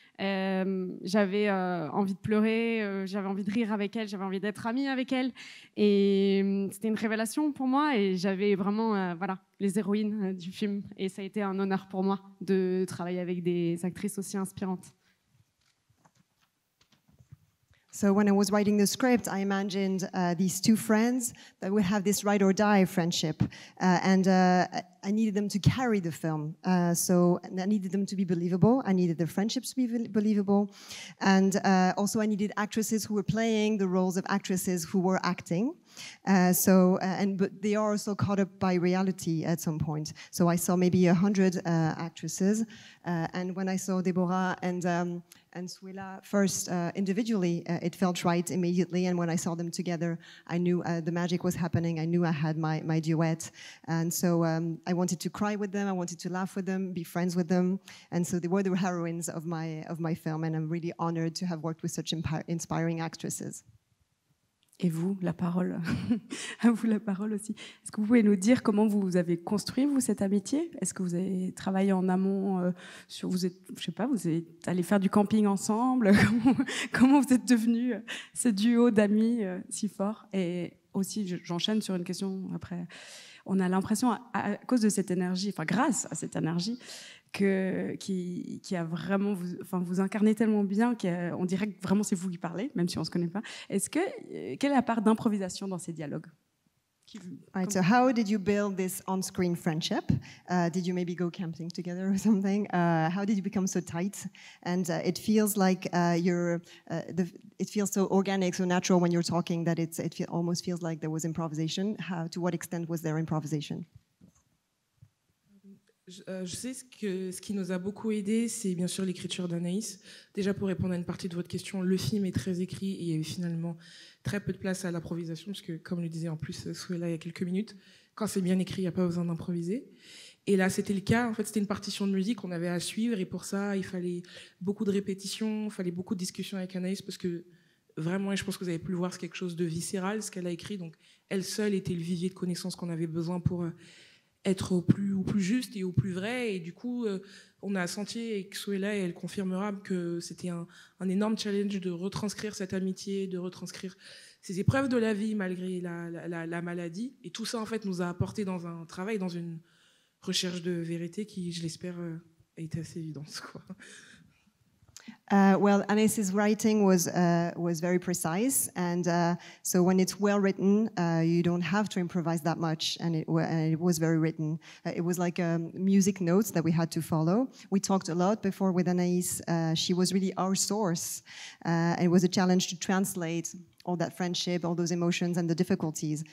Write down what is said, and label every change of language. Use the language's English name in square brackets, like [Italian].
[French] J'avais envie de pleurer, j'avais envie de rire avec elles, j'avais envie d'être amie avec elles. Et c'était une révélation pour moi et j'avais vraiment voilà, les héroïnes du film. Et ça a été un honneur pour moi de travailler avec des actrices aussi inspirantes. [English] So when I was writing the script, I imagined these two friends that would have this ride or die friendship. And I needed them to carry the film. So I needed them to be believable. I needed the friendships to be believable. And also I needed actresses who were playing the roles of actresses who were acting. But they are also caught up by reality at some point. So I saw maybe 100 actresses, and when I saw Deborah and Suela first individually, it felt right immediately. And when I saw them together, I knew the magic was happening. I knew I had my duet. And so I wanted to cry with them. I wanted to laugh with them, be friends with them. And so they were the heroines of my film. And I'm really honored to have worked with such inspiring actresses. [French] Et vous, la parole. À vous la parole aussi. Est-ce que vous pouvez nous dire comment vous avez construit, vous, cette amitié? Est-ce que vous avez travaillé en amont sur, vous êtes, je sais pas, vous êtes allé faire du camping ensemble? Comment vous êtes devenu ce duo d'amis si fort? Et aussi, j'enchaîne sur une question après. On a l'impression, à cause de cette énergie, enfin grâce à cette énergie, qui a vraiment, vous incarnez tellement bien qu'on dirait que vraiment c'est vous qui parlez, même si on se connaît pas. Quelle est la part d'improvisation dans ces dialogues? [English] Right, so how did you build this on-screen friendship? Did you maybe go camping together or something? How did you become so tight? And it feels like it feels so organic, so natural when you're talking that almost feels like there was improvisation. To what extent was there improvisation? [French] Je sais ce qui nous a beaucoup aidé, c'est bien sûr l'écriture d'Anaïs. Déjà, pour répondre à une partie de votre question, le film est très écrit et il y avait finalement très peu de place à l'improvisation, puisque, comme le disait en plus Suela il y a quelques minutes, quand c'est bien écrit, il n'y a pas besoin d'improviser. Et là, c'était le cas. En fait, c'était une partition de musique qu'on avait à suivre. Et pour ça, il fallait beaucoup de répétitions, il fallait beaucoup de discussions avec Anaïs, parce que vraiment, et je pense que vous avez pu le voir, c'est quelque chose de viscéral, ce qu'elle a écrit. Donc, elle seule était le vivier de connaissances qu'on avait besoin pour être au plus juste et au plus vrai. Et du coup, on a senti, et Suela, et elle confirmera, que c'était un énorme challenge de retranscrire cette amitié, de retranscrire ces épreuves de la vie malgré la maladie. Et tout ça, en fait, nous a apporté dans un travail, dans une recherche de vérité qui, je l'espère, est assez évidente, quoi. [English] Well, Anaïs's writing was very precise, and so when it's well written, you don't have to improvise that much, and it was very written. It was like music notes that we had to follow. We talked a lot before with Anaïs. She was really our source, and it was a challenge to translate all that friendship, all those emotions, and the difficulties.